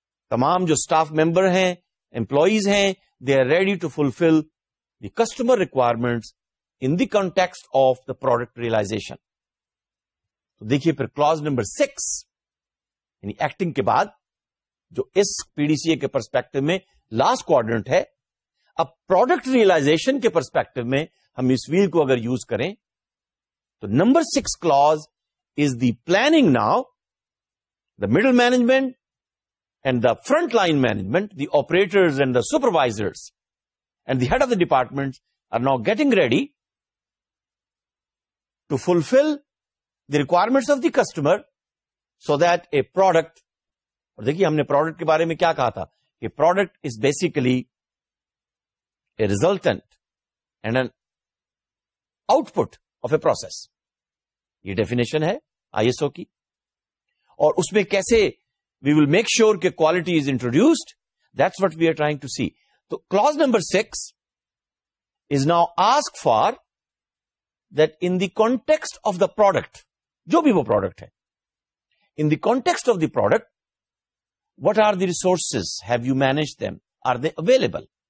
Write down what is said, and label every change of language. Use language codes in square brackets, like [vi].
[ur] تمام جو staff member ہیں امپلائیز ہیں [en] They are ready to fulfil the customer requirements in the context of the product realisation. [ur] تو دیکھیے پھر کلاز نمبر 6 یعنی ایکٹنگ کے بعد جو اس پی ڈی سی اے کے پرسپیکٹو میں لاسٹ کوارڈنٹ ہے. اب پروڈکٹ ریئلائزیشن کے پرسپیکٹو میں ہم اس ویل کو اگر یوز کریں تو [en] number 6 clause is the planning now the middle management and the frontline management, the operators and the supervisors and the head of the departments are now getting ready to fulfill the requirements of the customer so that a product, [ur] اور دیکھیے ہم نے product کے بارے میں کیا کہا تھا کہ [en] product is basically a resultant and an output of a process. [ur] یہ definition ہے ISO کی. اور اس میں کیسے [en] we will make sure [ur] کہ quality is introduced. [en] That's what we are trying to see. So clause number 6 is now ask for that in the context of the product, [ur] جو بھی وہ product ہے, [en] in the context of the product, what are the resources? Have you managed them? Are they available?